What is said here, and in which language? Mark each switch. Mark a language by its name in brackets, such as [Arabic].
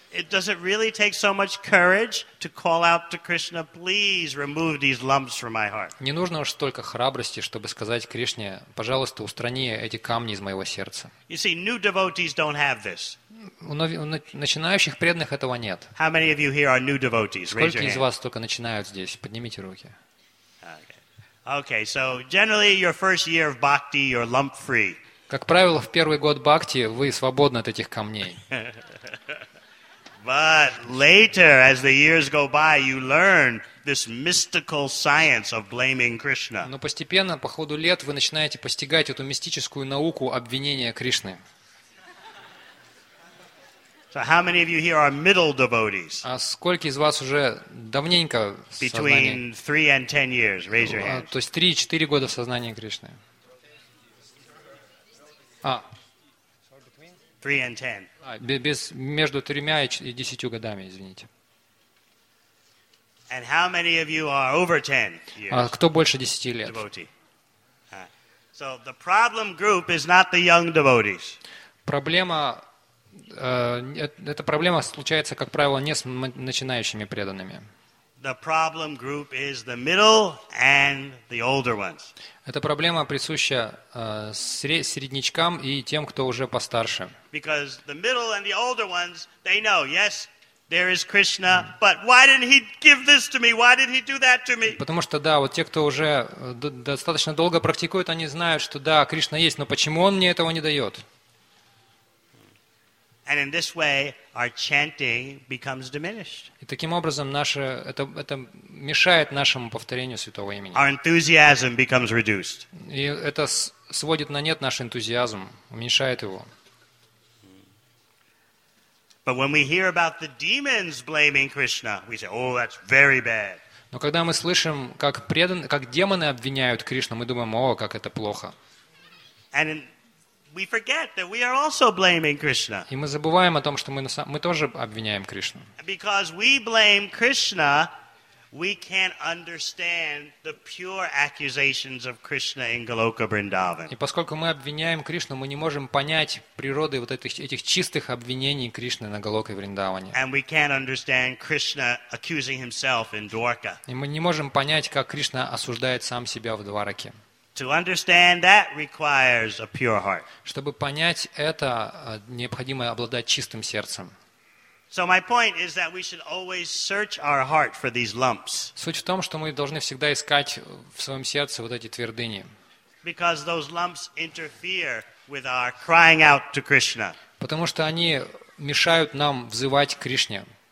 [English] Does it really take so much courage to call out to Krishna, please remove these lumps from my heart? [Russian] Не нужно уж столько храбрости, чтобы сказать Кришне, пожалуйста, устрани эти камни из моего сердца. [English] You see, new devotees don't have this. [Russian] У начинающих преданных этого нет. [English] How many of you here are new devotees? Raise your hand. [Russian] Сколько из вас только начинают здесь? Поднимите руки. [English] Okay, so generally your first year of bhakti, you're lump free. [Russian] Как правило, в первый год бхакти вы свободны от этих камней. [English] But later, as the years go by, you learn this mystical science of blaming Krishna. [Russian] Но постепенно, по ходу лет, вы начинаете постигать эту мистическую науку обвинения Кришны. [English] So how many of you here are middle devotees? [Russian] А сколько из вас уже давненько в сознании? [English] Between 3 and 10 years, raise your hand. [Russian] То есть 3-4 года в сознании Кришны. А. [English] 3 and 10. [Russian] Между 3 and 10 годами, извините. [English] And how many of you are over 10 years? [Russian] А кто больше 10 лет? [English] Devotee. So the problem group is not the young devotees. [Russian] Проблема, эта проблема случается, как правило, не с начинающими преданными. [English] The problem group is the middle and the older ones. [Russian] Эта проблема присуща среднячкам и тем, кто уже постарше. [English] Because the middle and the older ones, they know, yes, there is Krishna, but why didn't he give this to me? Why did he do that to me? [Russian] Потому что да, вот те, кто уже достаточно долго практикует, они знают, что да, Кришна есть, но почему он мне этого не дает? [English] And in this way, our chanting becomes diminished. [Russian] И таким образом наше это мешает нашему повторению святого имени. [English] Our enthusiasm becomes reduced. [Russian] И это сводит на нет наш энтузиазм, уменьшает его. [English] But when we hear about the demons blaming Krishna, we say, "Oh, that's very bad." [Russian] Но когда мы слышим, как демоны обвиняют Кришну, мы думаем: "О, как это плохо." [English] And we forget that we are also blaming Krishna. [Russian] И мы забываем о том, что мы тоже обвиняем Кришну. [English] Because we blame Krishna, we can't understand the pure accusations of Krishna in Goloka Vrindavan. [Russian] И поскольку мы обвиняем Кришну, мы не можем понять природы вот этих чистых обвинений Кришны на Голоке Вриндаване. [English] And we can't understand Krishna accusing himself in Dwarka. [Russian] И мы не можем понять, как Кришна осуждает сам себя в Двараке. [English] To understand that requires a pure heart. [Russian] Чтобы понять это, необходимо обладать чистым сердцем. [English] So my point is that we should always search our heart for these lumps. [Russian] Суть в том, что мы должны всегда искать в своем сердце вот эти твердыни. [English] Because those lumps interfere with our crying out to Krishna. [Russian] Потому что они мешают нам взывать к Кришне.